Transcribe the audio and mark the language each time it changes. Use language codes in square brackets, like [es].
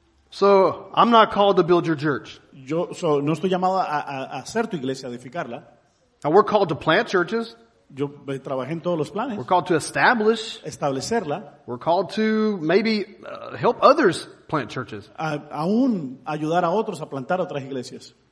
[en] So I'm not called to build your church. [es] Yo no estoy llamado a hacer tu iglesia, a edificarla. [en] Now we're called to plant churches. [es] Yo trabajé en todos los planes. [en] We're called to establish. [es] Establecerla. [en] We're called to maybe help others plant churches. [es] Aún ayudar a otros a plantar otras iglesias.